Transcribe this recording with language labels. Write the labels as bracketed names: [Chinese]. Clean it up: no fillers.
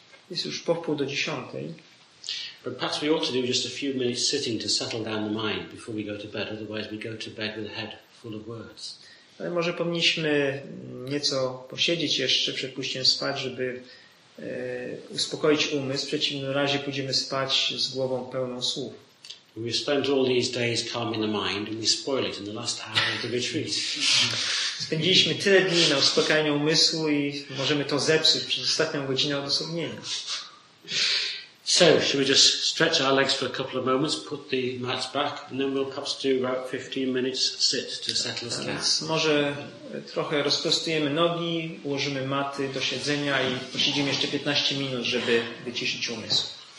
[Polish] jest już po wpół do dziesiątej. [English] But perhaps we ought to do just a few minutes sitting to settle down the mind before we go to bed, otherwise we go to bed with a head full of words. [Polish] Ale może powinniśmy nieco posiedzieć jeszcze przed pójściem spać, żeby uspokoić umysł. W przeciwnym razie pójdziemy spać z głową pełną słów. [English] We spent all these days calming the mind and we spoil it in the last hour of the retreat. [Polish] Spędziliśmy tyle dni na uspokajaniu umysłu i możemy to zepsuć przez ostatnią godzinę odosobnienia. [English] So, should we just stretch our legs for a couple of moments, put the mats back, and then we'll perhaps do about 15 minutes sit to settle us down. [Polish] Może trochę rozprostujemy nogi, ułożymy maty do siedzenia i posiedzimy jeszcze 15 minut, żeby wyciszyć umysł.